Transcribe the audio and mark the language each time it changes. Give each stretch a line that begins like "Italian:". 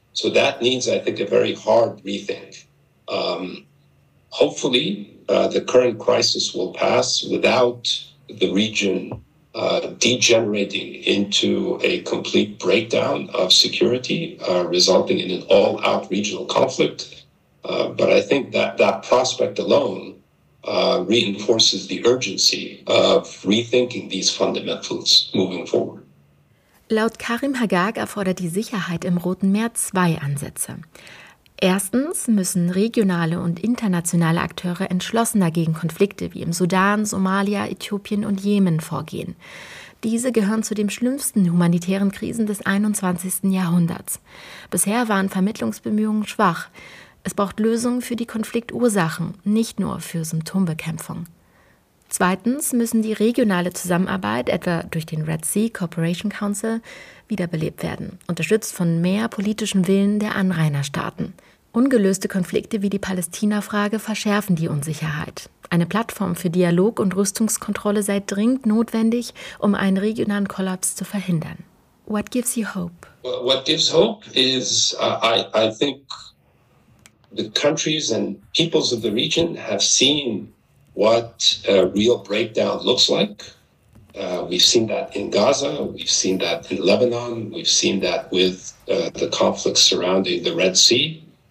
English: So that needs, I think, a very hard rethink. Hopefully, the current crisis will pass without the region degenerating into a complete breakdown of security, resulting in an all-out regional conflict. But I think that that prospect alone reinforces the urgency of rethinking these fundamentals moving forward.
German: Laut Karim Haggag erfordert die Sicherheit im Roten Meer zwei Ansätze. Erstens müssen regionale und internationale Akteure entschlossener gegen Konflikte wie im Sudan, Somalia, Äthiopien und Jemen vorgehen. Diese gehören zu den schlimmsten humanitären Krisen des 21. Jahrhunderts. Bisher waren Vermittlungsbemühungen schwach. Es braucht Lösungen für die Konfliktursachen, nicht nur für Symptombekämpfung. Zweitens müssen die regionale Zusammenarbeit, etwa durch den Red Sea Cooperation Council, wiederbelebt werden, unterstützt von mehr politischem Willen der Anrainerstaaten. Ungelöste Konflikte wie die Palästina-Frage verschärfen die Unsicherheit. Eine Plattform für Dialog und Rüstungskontrolle sei dringend notwendig, um einen regionalen Kollaps zu verhindern.
English: What gives you hope? What gives hope is, I think, the countries and peoples of the region have seen what a real breakdown looks like. We've seen that in Gaza, we've seen that in Lebanon, we've seen that with the conflicts surrounding the Red Sea.